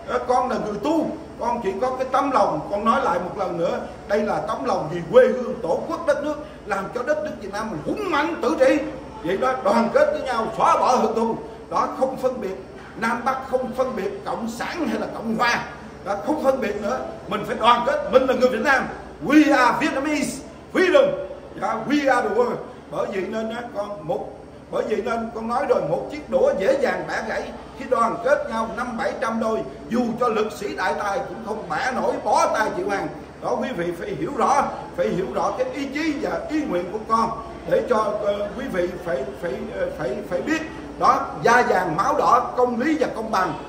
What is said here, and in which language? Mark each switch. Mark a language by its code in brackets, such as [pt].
[vi] Con là người tu, con chỉ có cái tấm lòng, con nói lại một lần nữa, đây là tấm lòng vì quê hương tổ quốc đất nước, làm cho đất nước Việt Nam mình hùng mạnh tự trị. Vậy đó, đoàn kết với nhau xóa bỏ hận thù. Đó, không phân biệt Nam Bắc, không phân biệt Cộng sản hay là Cộng hòa. Đó, không phân biệt nữa, mình phải đoàn kết, mình là người Việt Nam. [en] We are Vietnamese freedom. Yeah, we are the world. [vi] Bởi vậy nên đó, con một, bởi vậy nên con nói rồi, một chiếc đũa dễ dàng bẻ gãy khi đoàn kết nhau 500-700 đôi, dù cho lực sĩ đại tài cũng không bẻ nổi, bó tay chịu hàng. Đó, quý vị phải hiểu rõ cái ý chí và ý nguyện của con, để cho quý vị phải biết đó, da vàng máu đỏ, công lý và công bằng.